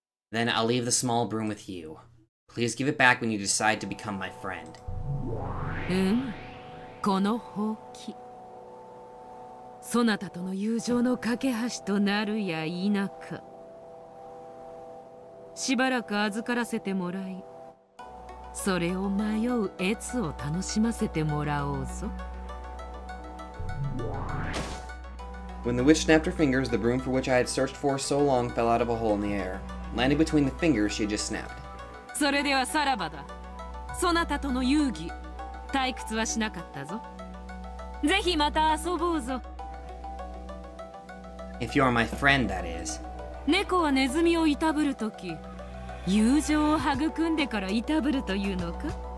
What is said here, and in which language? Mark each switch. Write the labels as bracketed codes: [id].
[en] Then I'll leave the small broom with you. Please give it back when you decide to become my friend. [ja] うん。このほうき。そなたとの友情の架け橋となるや否か。しばらく預からせてもらい、それを迷う悦を楽しませてもらおうぞ。 [en] When the witch snapped her fingers, the broom for which I had searched for so long fell out of a hole in the air, landing between the fingers she had just snapped. [ja] それではさらばだ。そなたとの遊戯、退屈はしなかったぞ。ぜひまた遊ぼうぞ。 [en] If you are my friend, that is. [ja] 猫はネズミをいたぶるとき、友情を育んでからいたぶるというのか?